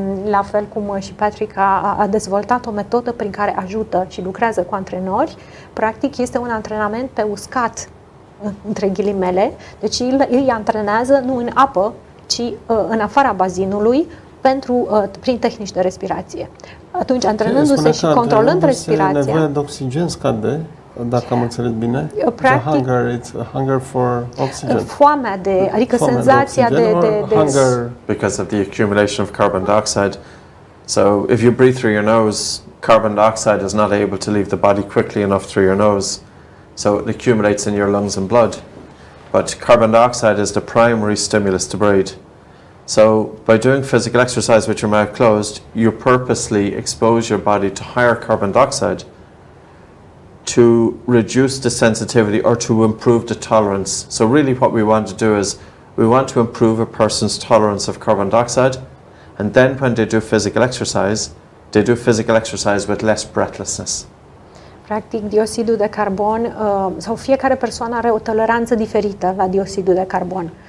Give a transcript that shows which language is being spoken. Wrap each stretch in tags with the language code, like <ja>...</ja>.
<ro>La fel cum și Patrick a dezvoltat o metodă prin care ajută și lucrează cu antrenori, practic este un antrenament pe uscat, între ghilimele, deci îi antrenează nu în apă, ci în afara bazinului, pentru, prin tehnici de respirație. Atunci, antrenându-se și controlând respirația... Nevoia de oxigen scade? dacă am înțeles bine, practic,</ro> <en>the hunger, it's a hunger for oxygen.</en> <ro>Foamea de, adică foamea senzația de oxygen, de</ro> <en>hunger because of the accumulation of carbon dioxide. So if you breathe through your nose, carbon dioxide is not able to leave the body quickly enough through your nose. So it accumulates in your lungs and blood. But carbon dioxide is the primary stimulus to breathe. So by doing physical exercise with your mouth closed, you purposely expose your body to higher carbon dioxide to reduce the sensitivity or to improve the tolerance. So really what we want to do is we want to improve a person's tolerance of carbon dioxide. And then when they do physical exercise, they do physical exercise with less breathlessness.</en> <ro>Practic, dioxidul de carbon, sau fiecare persoană are o toleranță diferită la dioxidul de carbon.</ro>